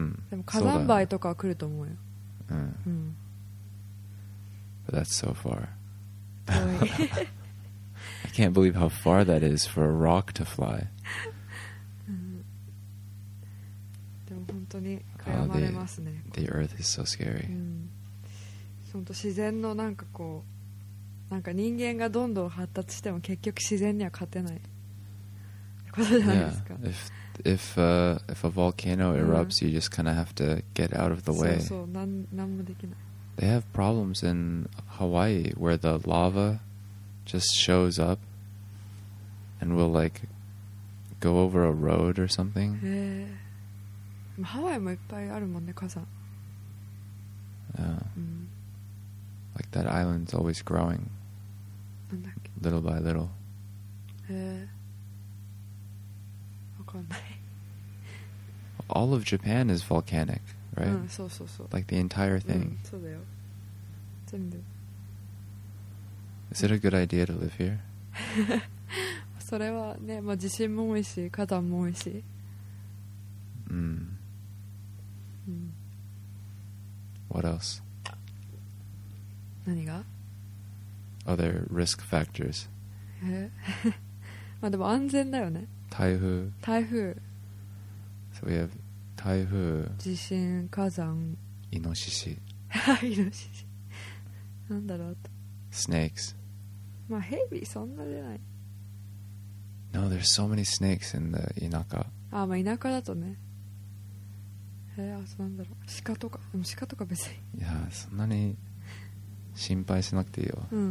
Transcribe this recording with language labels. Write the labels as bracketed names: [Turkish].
[Japanese] でも火山灰とかは来ると思うよ。 [English] But that's so far. I can't believe how far that is for a rock to fly. [Japanese] でも本当に悔やまれますね。 [English] The earth is so scary. [Japanese] 本当自然のなんかこう、なんか人間がどんどん発達しても結局自然には勝てないことじゃないですか。 [English] If a volcano erupts, you just kind of have to get out of the way. [Japanese] そうそう、なんもできない。 [English] They have problems in Hawaii where the lava just shows up and will like go over a road or something. [Japanese] へえ。ハワイもいっぱいあるもんね、火山。 [English] Like that island's always growing. [Japanese] なんだっけ。 [English] Little by little. [Japanese] へえ。わかんない。 [English] All of Japan is volcanic, right? [Japanese] そうそうそう。 [English] Like the entire thing. [Japanese] そうだよ。全部。 [English] Is it a good idea to live here? [Japanese] それはね、まあ地震も多いし、火山も多いし。 [English] What else? [Japanese] 何が？ [English] Other risk factors. [Japanese] まあでも安全だよね。台風。 [English] So we have 台風。 [Japanese] 地震、火山。イノシシ。はい、イノシシ。なんだろうと。 [English] Snakes。 [Japanese] まあヘビそんな出ない。 [English] No, there's so many snakes in the 田舎。 [Japanese] ああ、まあ田舎だとね。あとなんだろう。鹿とか、でも鹿とか別に。いや、そんなに心配しなくていいよ。